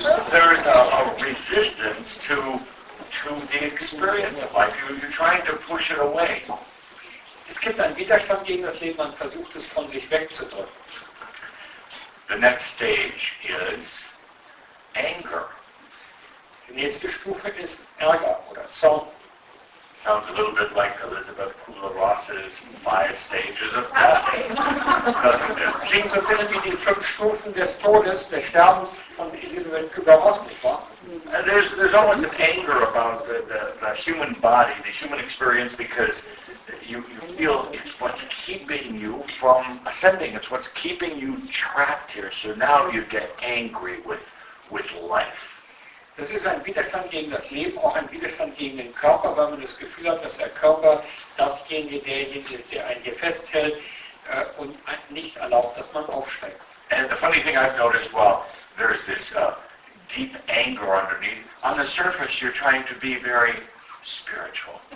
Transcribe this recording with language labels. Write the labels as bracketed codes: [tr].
[en] There is a resistance to the experience of life. You're trying to push it away. [de] Es gibt einen Widerstand gegen das Leben. Man versucht es von sich wegzudrücken. [en] The next stage is anger. [de] Die nächste Stufe ist Ärger oder Zorn. [en] Sounds a little bit like Elizabeth Kubler-Ross's five stages of death. Seems a bit like the [de] fünf Stufen des Todes, des Sterbens von Elizabeth Kubler-Ross, nicht wahr? [en] There's always an anger about the human body, the human experience, because you feel it's what's keeping you from ascending. It's what's keeping you trapped here. So now you get angry with life. [de] Das ist ein Widerstand gegen das Leben, auch ein Widerstand gegen den Körper, weil man das Gefühl hat, dass der Körper derjenige ist, der einen hier festhält und nicht erlaubt, dass man aufsteigt. [en] And the funny thing I've noticed, well, there is this deep anger underneath. On the surface, you're trying to be very spiritual.